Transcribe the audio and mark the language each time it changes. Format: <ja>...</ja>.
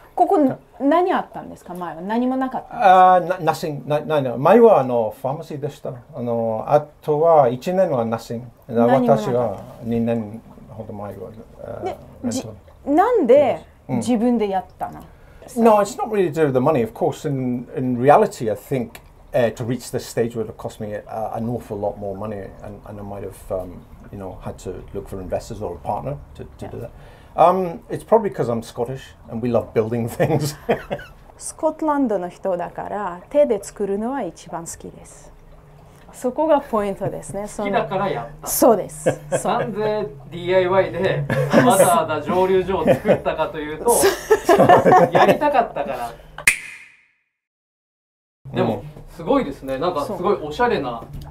<ja>ここ何あったんですか？前は何もなかったんですか？あ、なしん、前はあのファーマシーでした。あとは1年はなしん、私は2年ほど前は、なんで自分でやったの、</ja> <en>うん、No, it's not really due to the money, of course. In reality, I thinkto reach this stage would have cost me an awful lot more money, and I might have, you know, had to look for investors or a partner to do that. It's probably because I'm Scottish and we love building things.</en> <ja>Scotland の人だから手で作るのは一番好きです。そこがポイントですね。好きだからやった。そうです。なんで DIY でわざわざ蒸留所を作ったかというと、やりたかったから。でも。すごいですね。なんかすごいおしゃれな、</ja>